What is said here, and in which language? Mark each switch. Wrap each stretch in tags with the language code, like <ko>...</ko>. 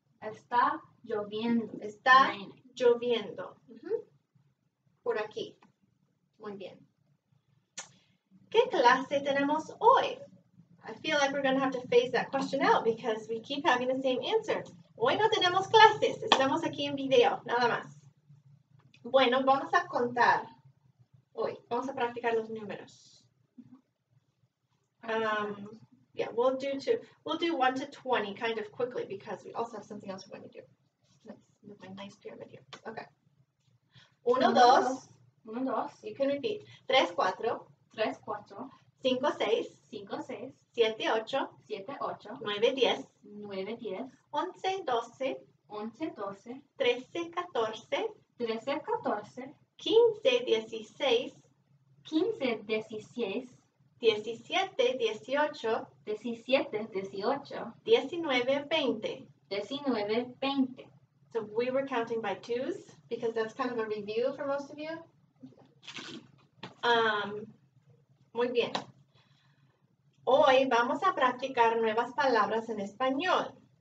<es>Está lloviendo. Está lloviendo. Por aquí. Muy bien. ¿Qué clase tenemos hoy?</es> <en>I feel like we're going to have to phase that question out because we keep having the same answer.</en> <es>Hoy no tenemos clases. Estamos aquí en video, nada más. Bueno, vamos a contar hoy. Vamos a practicar los números.</es> <en>Yeah, we'll do 1 to 20 kind of quickly because we also have something else we're going to do. Let's move my nice pyramid here.</en> <es>Okay. Uno, dos. Uno, dos.</es> <en>You can repeat.</en> <es>Tres, cuatro. Tres, cuatro. Cinco, seis. Cinco, seis. Siete, ocho. Siete, ocho. Nueve, diez. Nueve, diez. Once, doce. Once, doce. Trece, catorce. Trece, catorce. Quince, dieciséis. Quince, dieciséis. Diecisiete, dieciocho. Diecisiete, dieciocho. Diecinueve, veinte. Diecinueve, veinte.</es> <en>So we were counting by twos, because that's kind of a review for most of you.</en> <es>Muy bien. Hoy vamos a practicar nuevas palabras en español.</es>